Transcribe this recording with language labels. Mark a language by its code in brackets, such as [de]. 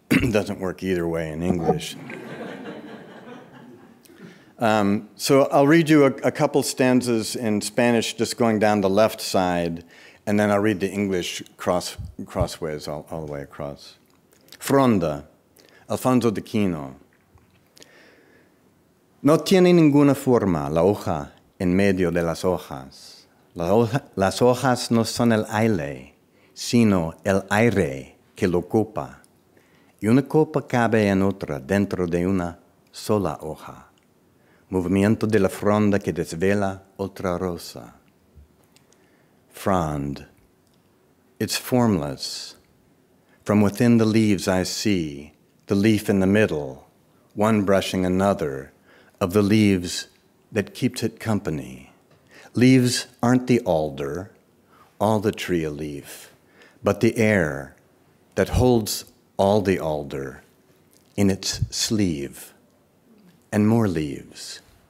[en] Doesn't work either way in English. So I'll read you a couple stanzas in Spanish, just going down the left side, and then I'll read the English crossways all the way across. [es] Fronda, Alfonso de Quino. No tiene ninguna forma la hoja en medio de las hojas. Las hojas no son el aire, sino el aire que lo copa. Y una copa cabe en otra dentro de una sola hoja. Movimiento de la fronda que desvela otra rosa. [en] Frond. It's formless. From within the leaves I see the leaf in the middle, one brushing another, of the leaves that keeps it company. Leaves aren't the alder, all the tree a leaf, but the air that holds all the alder in its sleeve, and more leaves.